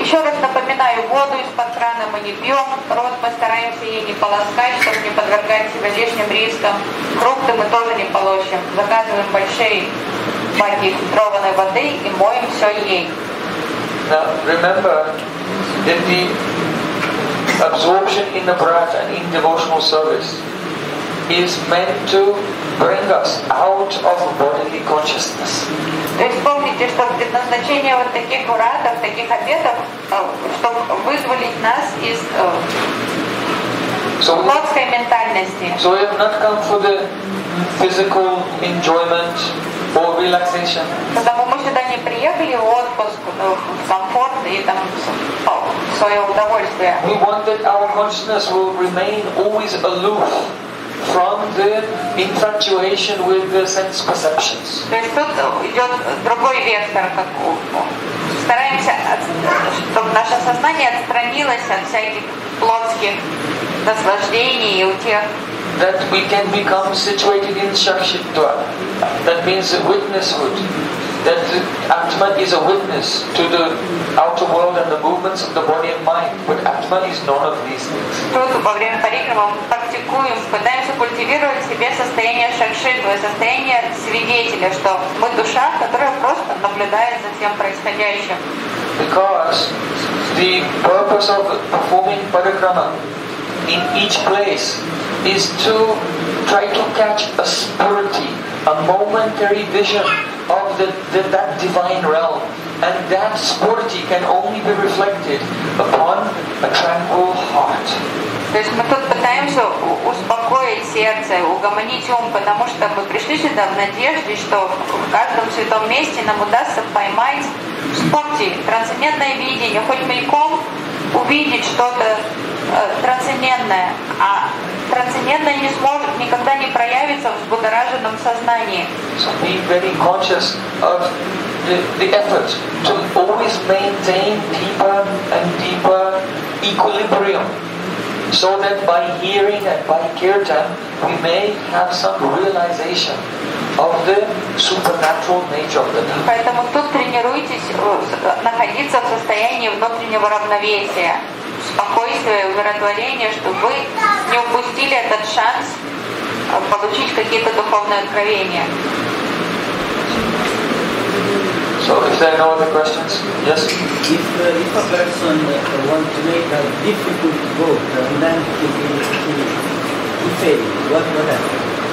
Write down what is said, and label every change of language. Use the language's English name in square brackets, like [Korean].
[Russian] еще раз напоминаю, воду из-под крана мы не пьем, рот мы стараемся ей не полоскать, чтобы не подвергать себя лишним рискам. Фрукты мы тоже не полощем. Заказываем большие баки фильтрованной воды и моем все ей. [English] Now, remember, that the absorption in the breath and in devotional service is meant to bring us out of bodily consciousness. [Russian] То есть помните, что предназначение вот таких уратов, таких обетов, чтобы вызволить нас из плотской ментальности. [English] So we have not come for the physical enjoyment or relaxation. [Russian] Потому мы сюда не приехали в отпуск, в комфорт и там свое удовольствие. [English] We want that our consciousness will remain always aloof from the infatuation with the sense perceptions. [Russian] То есть тут идет другой вектор, как стараемся, чтобы наше сознание отстранилось от всяких плотских наслаждений и утех. [English] That we can become situated in Shakshitva. That means a witnesshood. That Atman is a witness to the outer world and the movements of the body and mind, but Atman is none of these things. [Russian] Тут во время парикрама мы практикуем, пытаемся культивировать в себе состояние шакшитвы, состояние свидетеля, что мы душа, которая просто наблюдает за всем происходящим. [English] Because the purpose of performing парикрама in each place is to try to catch a spurity, a momentary vision of that divine realm. And that spurity can only be reflected upon a tranquil heart. [Russian] То есть мы тут пытаемся успокоить сердце, угомонить ум, потому что мы пришли сюда в надежде, что в каждом святом месте нам удастся поймать спурти, трансцендентное видение, хоть мельком увидеть что-то трансцендентное. А трансцендентное не сможет никогда не проявиться в взбудораженном сознании. [English] So be very conscious of the effort to always maintain deeper and deeper equilibrium. So that by hearing and by kirtan, we may have some realization of the supernatural nature of the Dhamma. [Russian] Поэтому тут тренируйтесь находиться в состоянии внутреннего равновесия, спокойствие, умиротворение, чтобы вы не упустили этот шанс получить какие-то духовные откровения. [English] So, is there no other questions? Yes? If a person wants to make a difficult goal, the length is going to fail, what would happen?